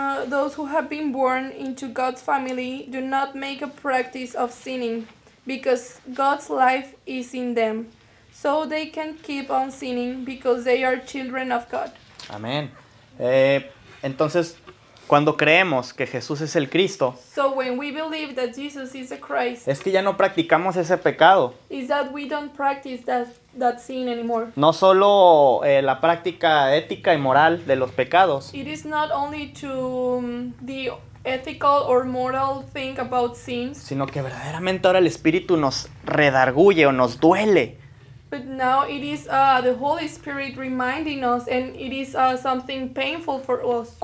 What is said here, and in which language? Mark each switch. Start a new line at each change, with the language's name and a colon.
English: Those who have been born into God's family do not make a practice of sinning, because God's life is in them. So they can keep on sinning, because they are children of God.
Spanish: Amén. Entonces, cuando creemos que Jesús es el Cristo,
English: so when we believe that Jesus is the Christ,
Spanish: es que ya no practicamos ese pecado.
English: Is that we don't practice that sin anymore.
Spanish: No solo la práctica ética y moral de los pecados.
English: It is not only to the ethical or moral thing about sins.
Spanish: Sino que verdaderamente ahora el Espíritu nos redarguye o nos duele.
English: But now it is the Holy Spirit reminding us, and it is something painful for us.